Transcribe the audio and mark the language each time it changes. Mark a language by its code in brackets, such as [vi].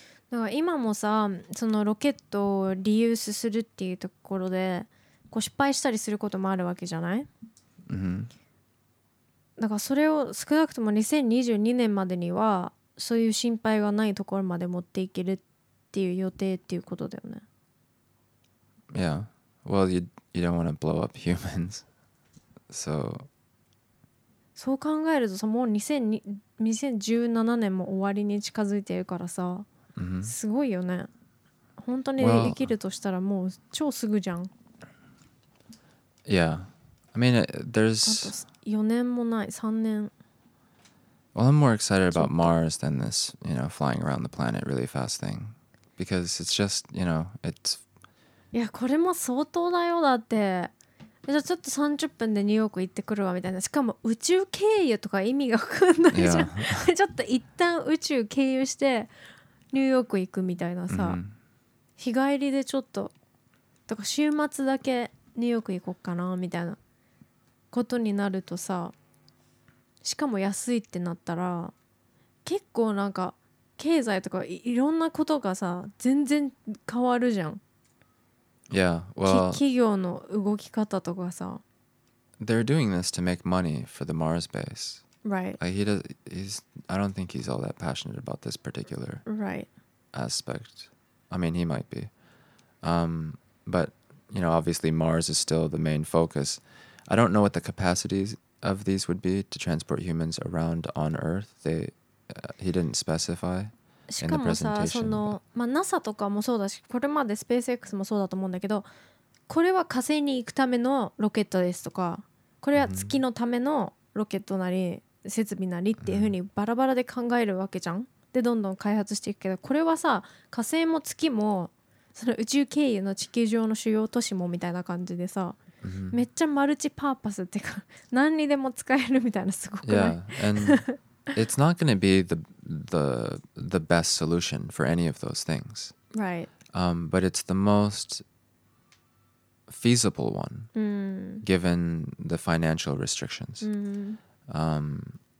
[ja] だから今もさ、そのロケットをリユースするっていうところでこう失敗したりすることもあるわけじゃない、 mm-hmm. だからそれを少なくとも2022年までにはそういう心配がないところまで持っていけるっていう予定っていうことだよね。 [en] Yeah, well you don't want to blow up humans. So [ja] そう考えるとさ、もう2017年も終わりに近づいてるからさ、 mm-hmm. すごいよね。本当に生きるとしたらもう超すぐじゃん。 [en] Yeah, I mean there's [ja] 4年もない、3年。 [en] Well, I'm more excited about Mars than this, you know, flying around the planet really fast thing. Because it's just, you know, it's [ja] いや、これも相当だよ、だって。じゃあちょっと30分でニューヨーク行ってくるわみたいな。しかも宇宙経由とか意味が分かんないじゃん、 [en] yeah. [ja] ちょっと一旦宇宙経由してニューヨーク行くみたいなさ、mm-hmm. 日帰りでちょっととか週末だけニューヨーク行こうかなみたいなことになるとさ、しかも安いってなったら結構なんか経済とか いろんなことがさ全然変わるじゃん。 [en] Yeah, well, [ja] 企業の動き方とかさ。 [en] They're doing this to make money for the Mars base. Right. Like I don't think he's all that passionate about this particular right. aspect. I mean, he might be. But, you know, obviously Mars is still the main focus. I don't know what the capacities of these would be to transport humans around on Earth. He didn't specify. [ja] しかもさ、その、まあ、NASA とかもそうだし、これまでスペース X もそうだと思うんだけど、これは火星に行くためのロケットですとか、これは月のためのロケットなり設備なりっていう風にバラバラで考えるわけじゃん。でどんどん開発していくけど、これはさ、火星も月もその宇宙経由の地球上の主要都市もみたいな感じでさ、めっちゃマルチパーパスってか何にでも使えるみたいな、すごくない？ [en] Yeah, it's not going to be the best solution for any of those things. Right. But it's the most feasible one, mm. given the financial restrictions. Mm.